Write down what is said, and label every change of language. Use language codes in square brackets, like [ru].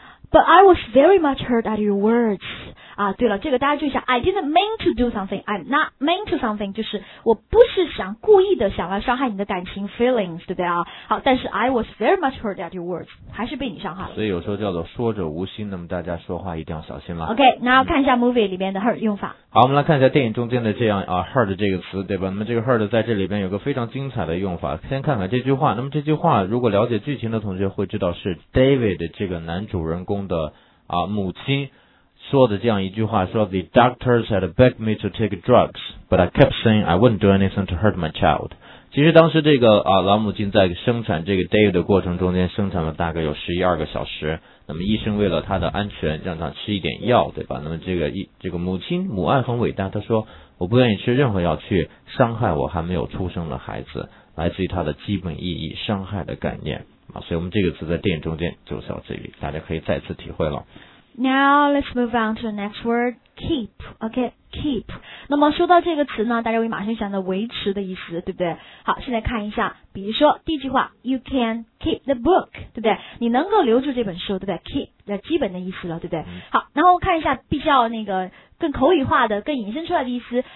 [en] But I was very much hurt at your words. [zh] 啊，对了，这个大家注意一下。 [en] I didn't mean to do something. I'm not mean to something. [zh] 就是我不是想故意的想要伤害你的感情 [en] feelings， [zh] 对不对啊？好，但是 [en] I was very much hurt at your words， [zh] 还是被你伤害了。所以有时候叫做说者无心，那么大家说话一定要小心了。 OK， 那要看一下 movie 里面的 hurt 用法。好，我们来看一下电影中间的这样啊 hurt 这个词，对吧？那么这个 hurt 在这里边有个非常精彩的用法。先看看这句话。那么这句话如果了解剧情的同学会知道是 David 这个男主人公的啊母亲说的这样一句话，说 [en] The doctors had begged me to take drugs, but I kept saying I wouldn't do anything to hurt my child. [zh] 其实当时这个啊老母亲在生产这个 David 的过程中间生产了大概有11-12个小时，那么医生为了他的安全让他吃一点药，对吧？那么这个母亲母爱很伟大，她说我不愿意吃任何药去伤害我还没有出生的孩子，来自于他的基本意义伤害的概念。所以我们这个词在电影中间就是要这里，大家可以再次体会了。 [en] Now let's move on to the next word, keep. Okay, keep. [zh] 那么说到这个词呢，大家会马上想到维持的意思，对不对？好，现在看一下，比如说第一句话 ， [en] You can keep the book, [zh] 对不对？你能够留住这本书，对不对 ？Keep， 那基本的意思了，对不对？好，然后看一下比较那个更口语化的、更引申出来的意思。